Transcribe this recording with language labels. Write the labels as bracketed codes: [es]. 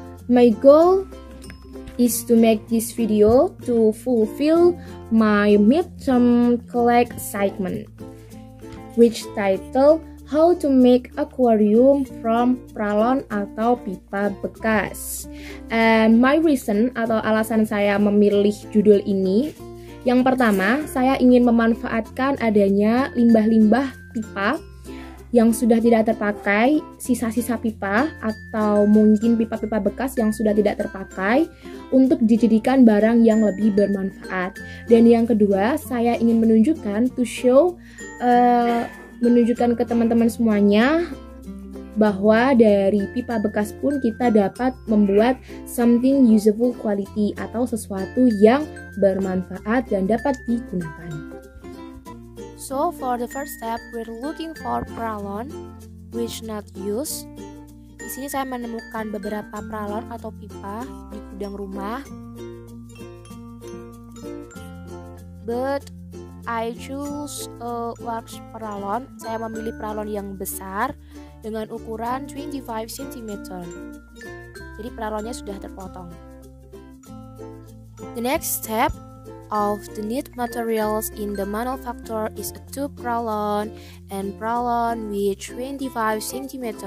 [en] My goal is to make this video to fulfill my midterm collect assignment, which titled How to Make Aquarium from Pralon atau Pipa Bekas. [id] And my reason atau alasan saya memilih judul ini, yang pertama, saya ingin memanfaatkan adanya limbah-limbah pipa yang sudah tidak terpakai, sisa-sisa pipa atau mungkin pipa-pipa bekas yang sudah tidak terpakai untuk dijadikan barang yang lebih bermanfaat. Dan yang kedua, saya ingin menunjukkan ke teman-teman semuanya bahwa dari pipa bekas pun kita dapat membuat something useful quality atau sesuatu yang bermanfaat dan dapat digunakan. [en] So for the first step, we're looking for pralon which not used. [id] Di sini saya menemukan beberapa pralon atau pipa di gudang rumah. [en] But I choose a large pralon. [id] Saya memilih pralon yang besar dengan ukuran 25 cm. Jadi pralonnya sudah terpotong. [en] The next step of the need materials in the manufacture is a tube pralon and pralon with 25 cm.